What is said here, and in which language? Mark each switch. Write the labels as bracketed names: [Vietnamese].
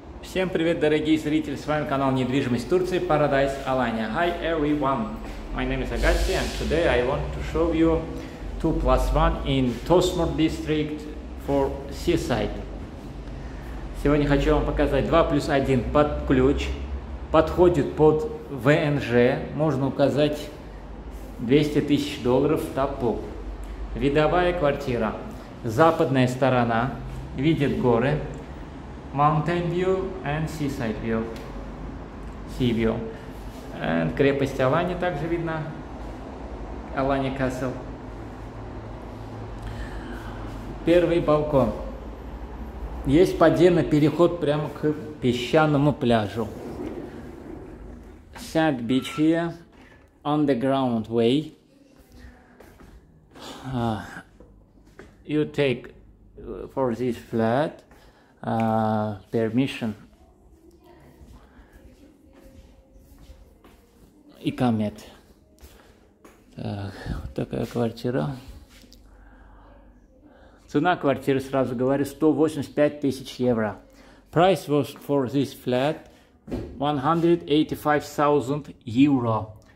[Russian] Всем привет, дорогие зрители! С вами канал Недвижимость Турции Paradise Alanya. [English] Hi everyone, my name is Agassi, and today I want to show you 2+1 in Tosmur district for seaside. [Russian] Сегодня хочу вам показать 2+1 под ключ. Подходит под ВНЖ. Можно указать 200 тысяч долларов ТАПУ. Видовая квартира. Западная сторона. Видит горы. [English] Mountain view and seaside view. Sea view. And [Russian] крепость Алания также видна. Алания Castle. Первый балкон. Есть подземный переход прямо к песчаному пляжу. [English] Sand beach here. Underground way. You take for this flat permission. [Russian] И комет. Так, вот такая квартира. Цена квартиры, сразу говорю, 185 тысяч евро. [English] Price was for this flat 185,000 евро.